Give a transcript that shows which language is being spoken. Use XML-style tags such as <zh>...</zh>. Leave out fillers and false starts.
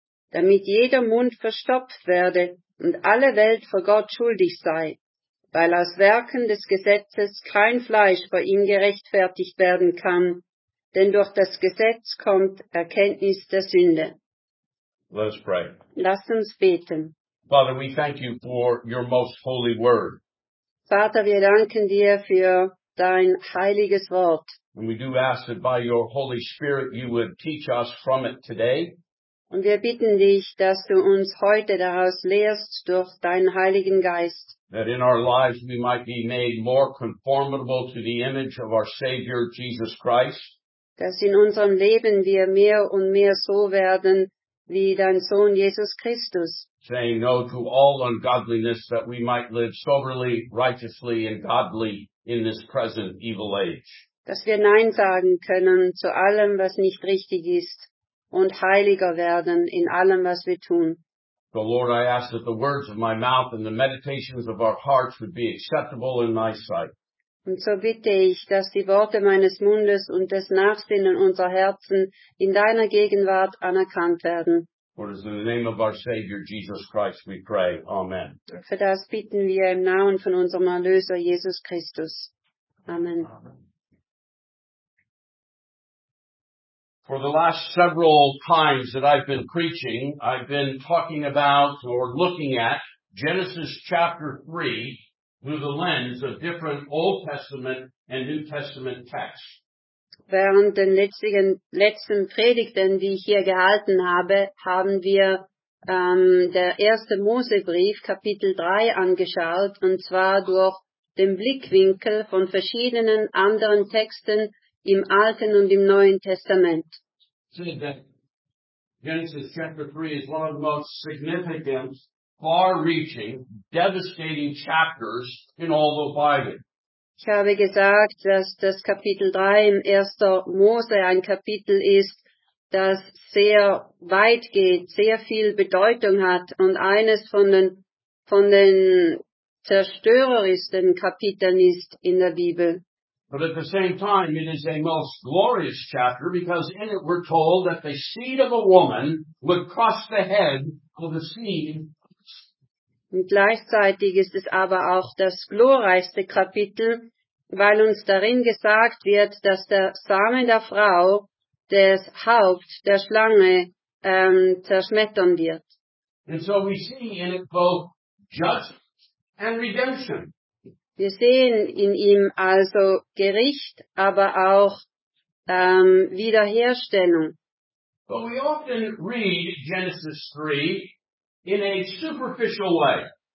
<de>Damit jeder Mund verstopft werde und alle Welt vor Gott schuldig sei, weil aus Werken des Gesetzes kein Fleisch vor ihm gerechtfertigt werden kann, denn durch das Gesetz kommt Erkenntnis der Sünde.</de> <en>Let us pray.</en> <de>Lass uns beten.</de> <en>Father, we thank you for your most holy word.</en> <de>Vater, wir danken dir für dein heiliges Wort.</de> <en>And we do ask that by your Holy Spirit you would teach us from it today.</en> <de>Und wir bitten dich, dass du uns heute daraus lehrst durch deinen Heiligen Geist.</de> <en>That in our lives we might be made more conformable to the image of our Savior Jesus Christ.</en> <de>Dass in unserem Leben wir mehr und mehr so werden wie dein Sohn Jesus Christus.</de> <en>Saying no to all ungodliness that we might live soberly, righteously and godly in this present evil age.</en> <de>Dass wir Nein sagen können zu allem, was nicht richtig ist. Und heiliger werden in allem, was wir tun.</de> <en>So Lord, I ask that the words of my mouth and the meditations of our hearts would be acceptable in thy sight.</en> <de>Und so bitte ich, dass die Worte meines Mundes und das Nachsinnen unserer Herzen in deiner Gegenwart anerkannt werden.</de> <en>For it is in the name of our Savior Jesus Christ we pray. Amen.</en> <de>Für das bitten wir im Namen von unserem Erlöser Jesus Christus. Amen.</de> <en>For the last several times that I've been preaching, I've been talking about or looking at Genesis chapter 3 through the lens of different Old Testament and New Testament texts.</en> <de>Während den letzten Predigten, die ich hier gehalten habe, haben wir der erste Mosebrief, Kapitel 3, angeschaut, und zwar durch den Blickwinkel von verschiedenen anderen Texten im Alten und im Neuen Testament.</de> <en>Genesis chapter 3 is one of the most significant, far-reaching, devastating chapters in all the Bible.</en> <de>Ich habe gesagt, dass das Kapitel 3 im 1. Mose ein Kapitel ist, das sehr weit geht, sehr viel Bedeutung hat und eines von den zerstörerischsten Kapiteln ist in der Bibel.</de> <en>But at the same time, it is a most glorious chapter because in it we're told that the seed of a woman would crush the head of the seed.</en> <de>Und gleichzeitig ist es aber auch das glorreichste Kapitel, weil uns darin gesagt wird, dass der Same der Frau das Haupt der Schlange zerschmettern wird.</de> <en>And so we see in it both judgment and redemption.</en> <de>Wir sehen in ihm also Gericht, aber auch Wiederherstellung.</de> <en>But we often read Genesis 3 in a superficial way.</en>